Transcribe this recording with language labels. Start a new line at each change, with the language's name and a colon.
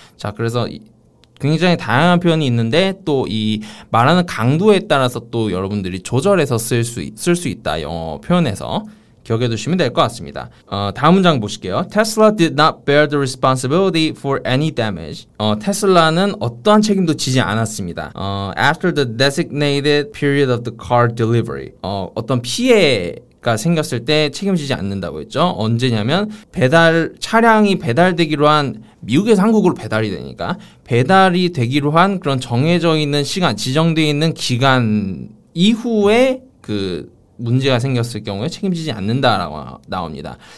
Korean: 자, 그래서 굉장히 다양한 표현이 있는데 또 이 말하는 강도에 따라서 또 여러분들이 조절해서 쓸 수 있다. 영어 표현에서 기억해 두시면 될 것 같습니다. 다음 문장 보실게요.
English: Tesla did not bear the responsibility for any damage.
Korean: 테슬라는 어떠한 책임도 지지 않았습니다.
English: After the designated period of the car delivery.
Korean: 어떤 피해가 생겼을 때 책임지지 않는다고 했죠. 언제냐면 차량이 배달되기로 한 미국에서 한국으로 배달이 되니까 배달이 되기로 한 그런 정해져 있는 시간, 지정되어 있는 기간 이후에 그 문제가 생겼을 경우에 책임지지 않는다라고 나옵니다.